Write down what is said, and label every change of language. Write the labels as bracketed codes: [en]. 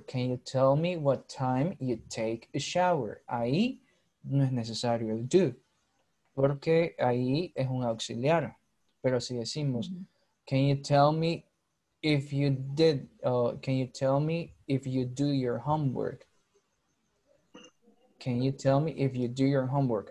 [en] Can you tell me what time you take a shower? [es] Ahí no es necesario el do, porque ahí es un auxiliar. Pero si decimos, [en] can you tell me if you did, can you tell me if you do your homework? Can you tell me if you do your homework?